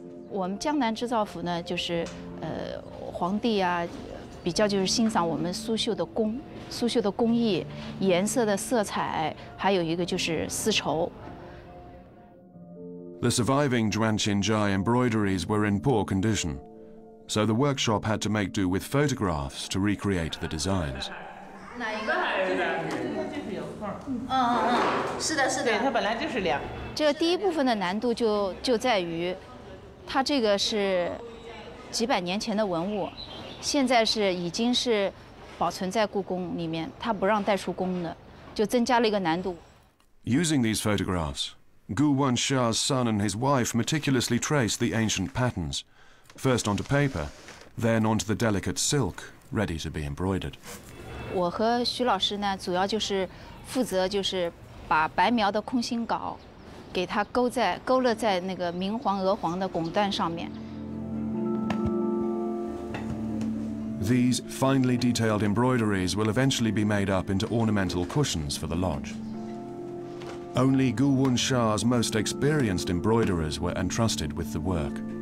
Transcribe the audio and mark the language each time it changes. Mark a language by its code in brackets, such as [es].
[zh] 我们江南织造府呢，就是皇帝啊，比较就是欣赏我们苏绣的工艺、颜色的色彩，还有一个就是丝绸。 [en] The surviving Juanqinzhai embroideries were in poor condition, so the workshop had to make do with photographs to recreate the designs. [zh] 哪一个？这边，这边有块。嗯嗯嗯，是的，是的。对，它本来就是凉。这个第一部分的难度就在于，它这个是几百年前的文物，现在是已经是保存在故宫里面，他不让带出宫的，就增加了一个难度。 [en] Using these photographs, Gu Wanxia's son and his wife meticulously traced the ancient patterns, first onto paper, then onto the delicate silk ready to be embroidered. [zh] 我和徐老师呢，主要就是负责就是把白描的空心稿给它勾勒在那个明黄鹅黄的拱段上面。 [en] These finely detailed embroideries will eventually be made up into ornamental cushions for the lodge. Only Gu Wunsha's most experienced embroiderers were entrusted with the work.